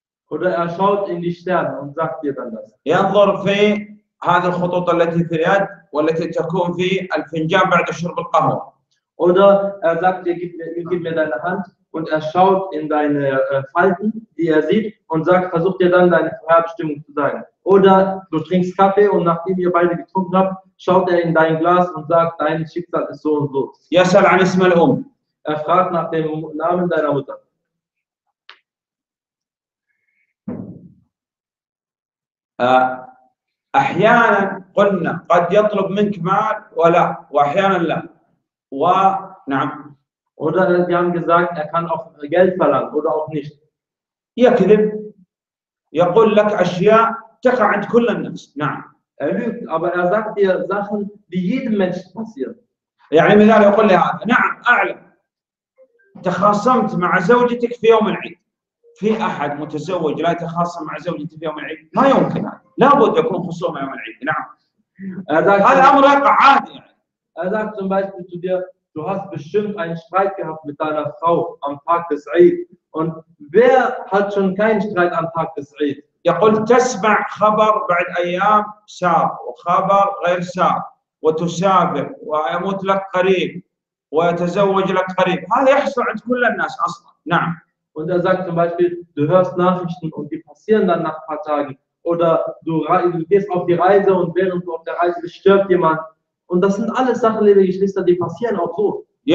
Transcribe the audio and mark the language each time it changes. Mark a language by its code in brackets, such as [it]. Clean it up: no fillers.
[de] Oder er schaut in die Sterne und sagt dir dann das. [ar] ينظر في هذه الخطوط التي في اليد والتي تكون في الفنجان بعد شرب القهوة. [de] Oder er sagt dir, gib mir deine Hand und er schaut in deine Falten, die er sieht und sagt, versuch dir dann deine Vorherbestimmung zu sagen. Oder du trinkst Kaffee und nachdem ihr beide getrunken habt, schaut er in dein Glas und sagt, dein Schicksal ist so und so. [ar] يسأل عن اسم الأم. [de] Er fragt nach dem Namen deiner Mutter. [ar] أحيانا قلنا قد يطلب منك مال ولا وأحيانا لا ونعم. [de] Oder sie haben gesagt, er kann auch Geld verlangen oder auch nicht. [ar] يكذب يقول لك أشياء تقع عند كل الناس. نعم. [de] Er lügt, aber er sagt dir Sachen, die jedem Menschen passieren. [ar] يعني مثال يقول لي هذا. نعم أعلم. تخاصمت مع زوجتك في يوم العيد. في احد متزوج لا يتخاصم مع زوجته في يوم العيد؟ ما يمكن هذا، لابد يكون خصومة يوم العيد، نعم. هذا امر يقع عادي يعني. [de] أذاك zum Beispiel zu dir, du hast bestimmt einen Streit gehabt mit deiner Frau am Tag des Eid. Und wer hat schon keinen Streit am Tag des Eid? [ar] يقول تسمع خبر بعد ايام سار وخبر غير سار وتسافر ويموت لك قريب ويتزوج لك قريب، هذا يحصل عند كل الناس اصلا، نعم. [de] Und er sagt zum Beispiel, du hörst Nachrichten und die passieren dann nach ein paar Tagen. Oder du gehst auf die Reise und während du auf der Reise bist, stirbt jemand. Und das sind alles Sachen, liebe Geschwister, die passieren auch so.